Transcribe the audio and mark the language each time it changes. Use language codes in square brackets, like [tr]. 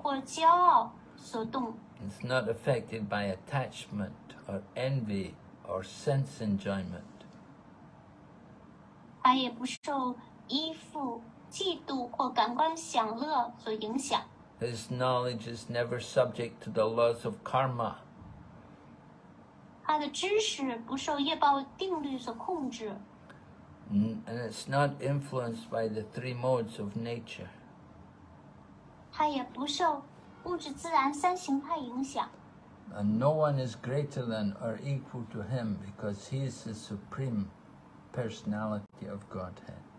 [en] It's not affected by attachment or envy or sense enjoyment. [zh] 嫉妒或感官享乐所影响。 [en] His knowledge is never subject to the laws of karma. [zh] 他的知识不受业报定律所控制。 [en] And it's not influenced by the three modes of nature. [zh] 他也不受物质自然三形态影响。 [en] And no one is greater than or equal to him because he is the supreme personality of Godhead.